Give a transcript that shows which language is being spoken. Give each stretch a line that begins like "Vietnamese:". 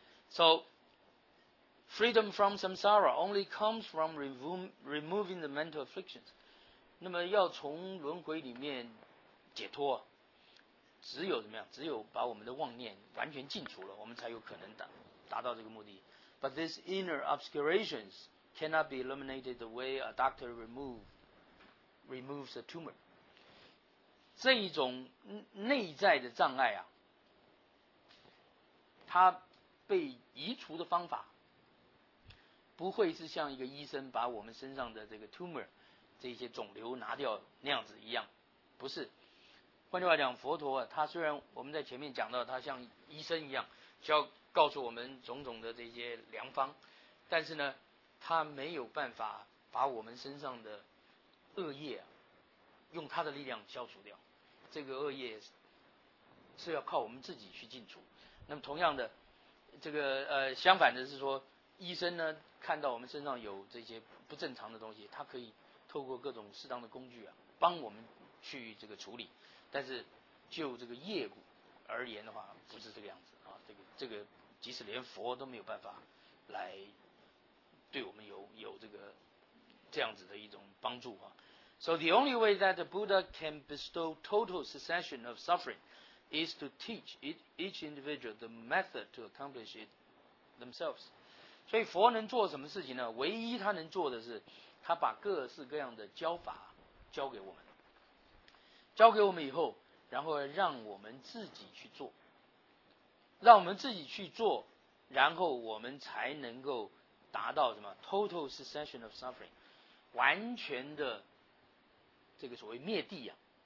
English: So freedom from samsara only comes from removing the mental afflictions.
Chinese: 那么要从轮回里面解脱，只有怎么样？只有把我们的妄念完全净除了，我们才有可能达到这个目的。
English: But these inner obscurations cannot be eliminated the way a doctor removes a tumor.
Chinese: 这一种内在的障碍啊，它被移除的方法不会是像一个医生把我们身上的这个 tumor 这些肿瘤拿掉那样子一样，不是。换句话讲，佛陀啊，他虽然我们在前面讲到他像医生一样需要告诉我们种种的这些良方，但是呢他没有办法把我们身上的恶业啊用他的力量消除掉，这个恶业是要靠我们自己去净除。那么同样的，这个相反的是说，医生呢看到我们身上有这些不正常的东西，他可以透过各种适当的工具啊帮我们去这个处理，但是就这个业故而言的话，不是这个样子啊。这个即使连佛都没有办法来对我们有这个这样子的一种帮助啊。
English: So the only way that the Buddha can bestow total cessation of suffering is to teach each individual the method to accomplish it themselves.
Chinese: 所以佛能做什么事情呢？唯一他能做的是，他把各式各样的教法教给我们。交给我们以后，然后让我们自己去做，让我们自己去做，然后我们才能够达到什么
English: total cessation of suffering，
Chinese: 完全的这个所谓灭谛啊。